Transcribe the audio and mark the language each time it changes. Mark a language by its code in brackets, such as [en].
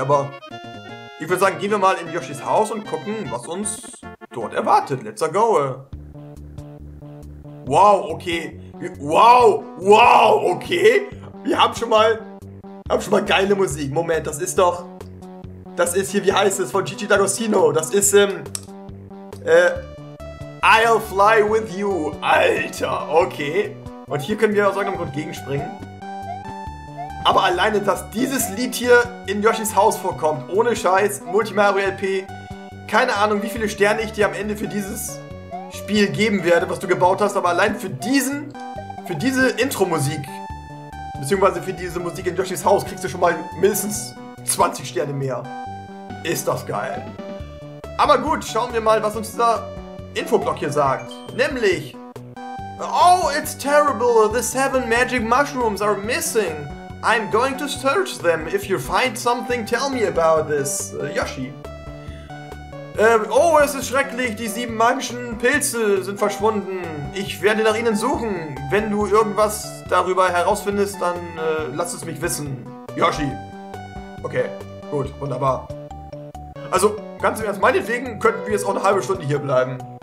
[de] Aber ich würde sagen, gehen wir mal in Yoshis Haus und gucken, was uns dort erwartet. [en] Let's go. Wow, okay. [de] Wow, okay. Wir haben schon mal geile Musik. Moment, das ist doch... Das ist hier, wie heißt es? Von Gigi D'Agostino. Das ist, [en] I'll fly with you. [de] Alter, okay. Und hier können wir aus irgendeinem Grund gegenspringen. Aber alleine, dass dieses Lied hier in Yoshis Haus vorkommt, ohne Scheiß, Multi Mario LP, keine Ahnung, wie viele Sterne ich dir am Ende für dieses Spiel geben werde, was du gebaut hast, aber allein für diese Intro-Musik, beziehungsweise für diese Musik in Yoshis Haus, kriegst du schon mal mindestens 20 Sterne mehr. Ist das geil. Aber gut, schauen wir mal, was uns dieser Infoblock hier sagt. [en] Nämlich, oh, it's terrible, the 7 magic mushrooms are missing. I'm going to search them. If you find something, tell me about this. [de] Yoshi. Oh, es ist schrecklich. Die 7 magischen Pilze sind verschwunden. Ich werde nach ihnen suchen. Wenn du irgendwas darüber herausfindest, dann lass es mich wissen. Yoshi. Okay, gut, wunderbar. Also, ganz im Ernst, meinetwegen könnten wir jetzt auch eine halbe Stunde hier bleiben.